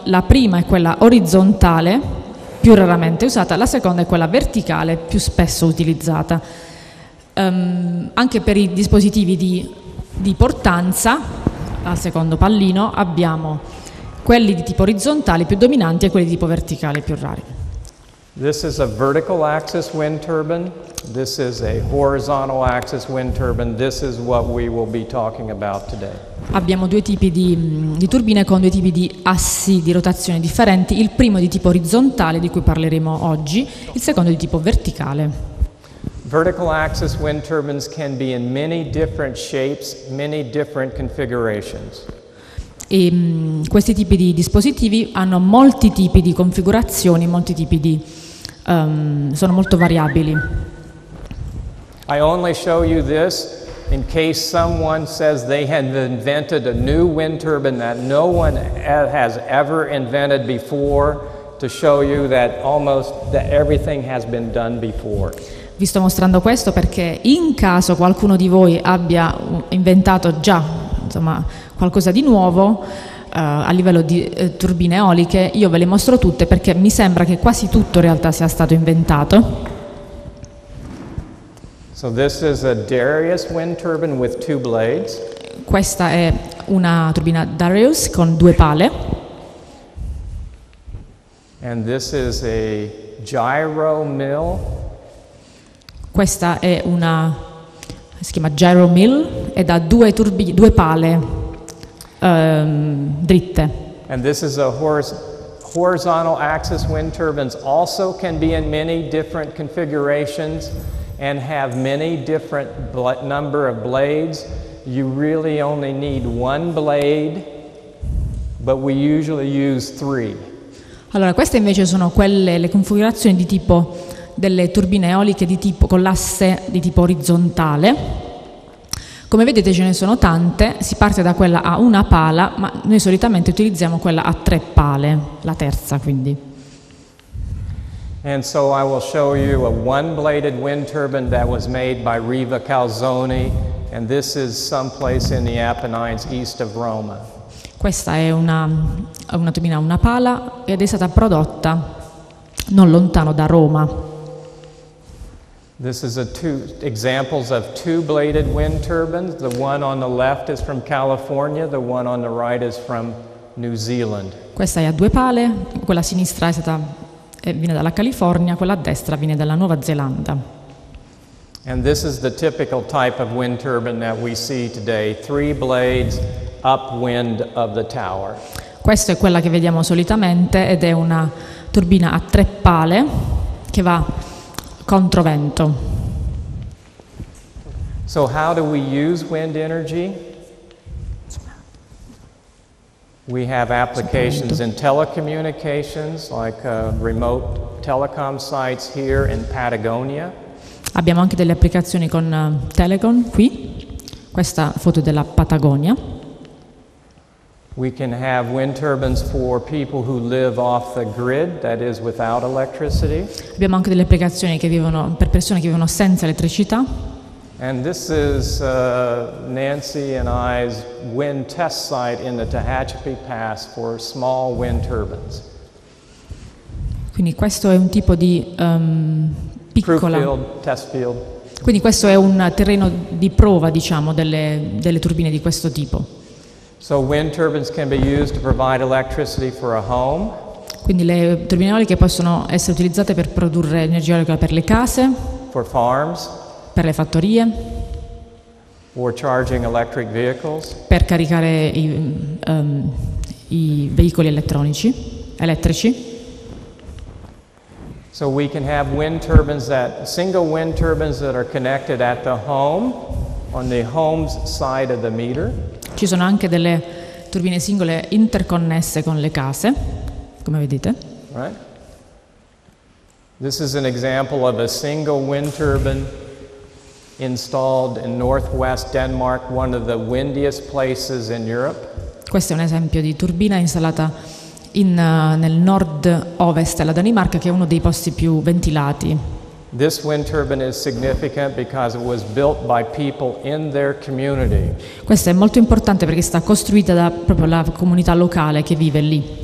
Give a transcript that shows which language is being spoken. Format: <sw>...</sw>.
<it>La prima è quella orizzontale, più raramente usata. La seconda è quella verticale, più spesso utilizzata. Anche per i dispositivi di portanza, al secondo pallino, abbiamo quelli di tipo orizzontale più dominanti e quelli di tipo verticale più rari.</it> <en>This is a vertical axis wind turbine. This is a horizontal axis wind turbine. This is what we will be talking about today.</en> <it>Abbiamo due tipi di turbine con due tipi di assi di rotazione differenti. Il primo è di tipo orizzontale, di cui parleremo oggi. Il secondo è di tipo verticale.</it> <en>Vertical axis wind turbines can be in many different shapes, many different configurations.</en> <it>E questi tipi di dispositivi hanno molti tipi di configurazioni, molti tipi di sono molto variabili.</it> <en>I only show you this in case someone says they have invented a new wind turbine that no one has ever invented before, to show you that almost that everything has been done before.</en> <it>Vi sto mostrando questo perché in caso qualcuno di voi abbia inventato già, insomma, qualcosa di nuovo a livello di turbine eoliche, io ve le mostro tutte perché mi sembra che quasi tutto in realtà sia stato inventato.</it> <en>So this is a Darius wind turbine with two blades.</en> <it>Questa è una turbina Darius con due pale.</it> <en>And this is a gyro mill.</en> <it>Questa è una, si chiama gyro mill, è da due pale dritte.</it> <en>And this is a horizontal axis wind turbines, also can be in many different configurations and have many different number of blades. You really only need one blade, but we usually use three.</en> <it>Allora, queste invece sono quelle, le configurazioni di tipo delle turbine eoliche di tipo con l'asse di tipo orizzontale. Come vedete ce ne sono tante, si parte da quella a una pala, ma noi solitamente utilizziamo quella a tre pale, la terza quindi.</it> <en>And so I will show you a one-bladed wind turbine that was made by Riva Calzoni, and this is someplace in the Apennines east of Roma.</en> <it>Questa è una turbina a una pala ed è stata prodotta non lontano da Roma.</it> <en>This is a two examples of two-bladed wind turbines. The one on the left is from California, the one on the right is from New Zealand.</en> <it>Questa è a due pale, quella a sinistra viene dalla California, quella a destra viene dalla Nuova Zelanda.</it> <en>And this is the typical type of wind turbine that we see today, three blades upwind of the tower.</en> <it>Questa è quella che vediamo solitamente ed è una turbina a tre pale che va controvento.</it> <en>So how do we use wind energy? We have applications in telecommunications, like remote telecom sites here in Patagonia.</en> <it>Abbiamo anche delle applicazioni con Telecom qui. Questa foto della Patagonia.</it> <en>We can have wind turbines for people who live off the grid, that is without electricity.</en> <it>Abbiamo anche delle applicazioni che vivono per persone che vivono senza elettricità.</it> <en>And this is Nancy and I's wind test site in the Tehachapi Pass for small wind turbines.</en> <it>Quindi questo è un tipo di piccola</it> <en>proof field, test field.</en> <it>Quindi questo è un terreno di prova, diciamo, delle turbine di questo tipo.</it> <en>So wind turbines can be used to provide electricity for a home.</en> <it>Quindi le turbine eoliche possono essere utilizzate per produrre energia eolica per le case,</it> <en>for farms,</en> <it>per le fattorie,</it> <en>or charging electric vehicles,</en> <it>per caricare i, i veicoli elettronici, elettrici.</it> <en>So we can have wind turbines that, single wind turbines that are connected at the home, on the home's side of the meter.</en> <it>Ci sono anche delle turbine singole interconnesse con le case, come vedete.</it> <en>Right. This is an example of a single wind turbine installed in northwest Denmark, one of the windiest places in Europe.</en> <it>Questo è un esempio di turbina installata in, nel nord ovest della Danimarca, che è uno dei posti più ventilati.</it> <en>This wind turbine is significant because it was built by people in their community.</en> <it>Questa è molto importante perché sta costruita da proprio la comunità locale che vive lì.</it>